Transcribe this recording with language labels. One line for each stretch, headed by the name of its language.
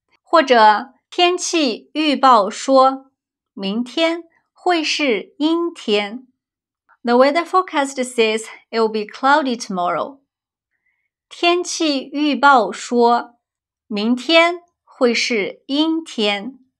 Chinese: 或者天气预报说明天会是阴天。
English: The weather forecast says it will be cloudy tomorrow.
Chinese: 天气预报说明天会是阴天。